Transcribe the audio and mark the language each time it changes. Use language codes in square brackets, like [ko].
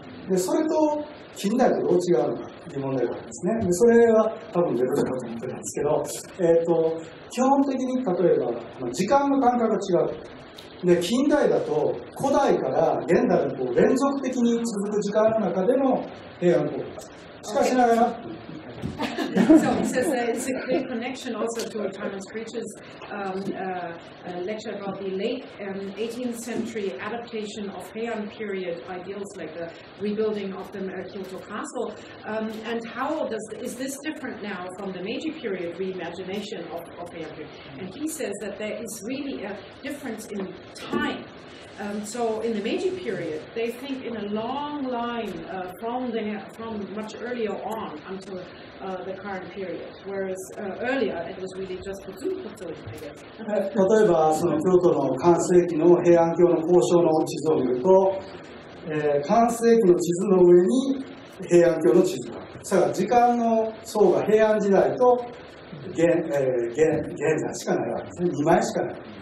[ja] でそれと近代とどう違うのかという問題があるんですね。でそれは多分出てくると思ってたんですけど、基本的に例えば時間の感覚が違う。で近代だと古代から現代のこう連続的に続く時間の中での平安国家、しかしながら、 [en] So he says it's a clear connection also to Thomas Creech's lecture about the late 18th century adaptation of Heian period ideals, like the rebuilding of the Kyoto castle. And how is this different now from the Meiji period reimagination of Heian period? And he says that there is really a difference in time. So in the Meiji period, they think in a long line from much earlier on until the current period. Whereas earlier, it was really just the Zunkotsu, I guess. [ja] 例えばその京都の関西紀の平安京の交渉の地図を見ると、関西紀の地図の上に平安京の地図がある。さあ時間の層が平安時代と現在しかないわけですね。2枚しかない。